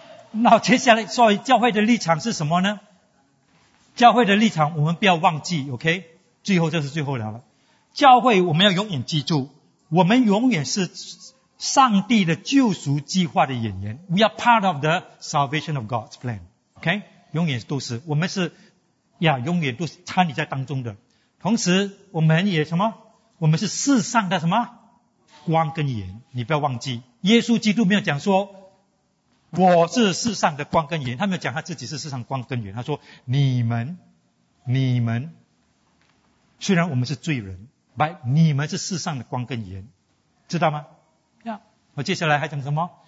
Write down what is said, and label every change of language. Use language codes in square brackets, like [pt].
[zh] 那接下来所以教会的立场是什么呢？教会的立场我们不要忘记， OK? 最后就是最后了。教会我们要永远记住，我们永远是上帝的救赎计划的演员。 [en] We are part of the salvation of God's plan. OK? [zh] 永远都是，我们是呀，永远都是参与在当中的。同时我们也什么？我们是世上的什么？光跟盐。你不要忘记，耶稣基督没有讲说我是世上的光跟盐，他没有讲他自己是世上光跟盐，他说你们虽然我们是罪人，你们是世上的光跟盐，知道吗？要。我接下来还讲什么？